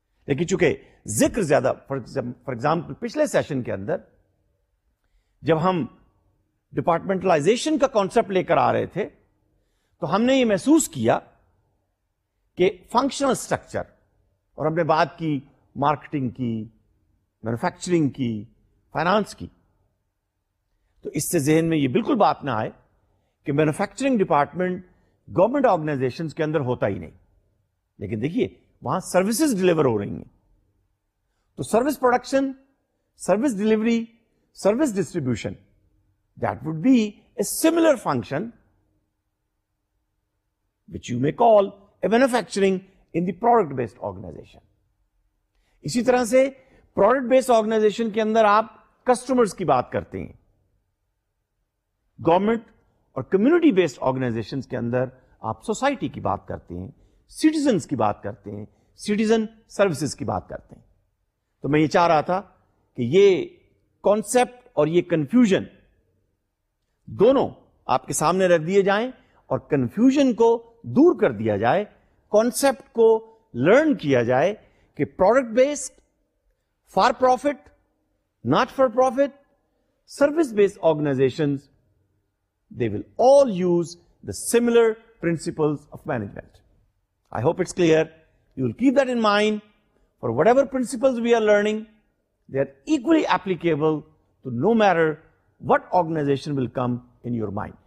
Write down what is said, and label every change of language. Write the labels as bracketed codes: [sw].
[ur] لیکن چونکہ ذکر زیادہ, فار ایگزامپل پچھلے سیشن کے اندر جب ہم ڈپارٹمنٹلائزیشن کا کانسیپٹ لے کر آ رہے تھے تو ہم نے یہ محسوس کیا کہ فنکشنل اسٹرکچر, اور ہم نے بات کی مارکیٹنگ کی, مینوفیکچرنگ کی, فائنانس کی, تو اس سے ذہن میں یہ بالکل بات نہ آئے کہ مینوفیکچرنگ ڈپارٹمنٹ گورنمنٹ آرگنائزیشن کے اندر ہوتا ہی نہیں. لیکن دیکھیے وہاں سروسز ڈلیور ہو رہی ہیں, [en] تو service production, service delivery, service distribution, that would be a similar function which you may call a manufacturing in the product based organisation. [ur] اسی طرح سے پروڈکٹ بیسڈ آرگنائزیشن کے اندر آپ کسٹمرز کی بات کرتے ہیں, گورنمنٹ اور کمیونٹی بیسڈ آرگنائزیشن کے اندر آپ سوسائٹی کی بات کرتے ہیں, سٹیزنس کی بات کرتے ہیں, سٹیزن سروسز کی بات کرتے ہیں. تو میں یہ چاہ رہا تھا کہ یہ کانسیپٹ اور یہ کنفیوژن دونوں آپ کے سامنے رکھ دیے جائیں اور کنفیوژن کو دور کر دیا جائے, کانسیپٹ کو لرن کیا جائے کہ product based, for profit, not for profit, service based organization, [en] They will all use the similar principles of management. I hope it's clear. You will keep that in mind. For whatever principles we are learning, they are equally applicable to no matter what organization will come in your mind.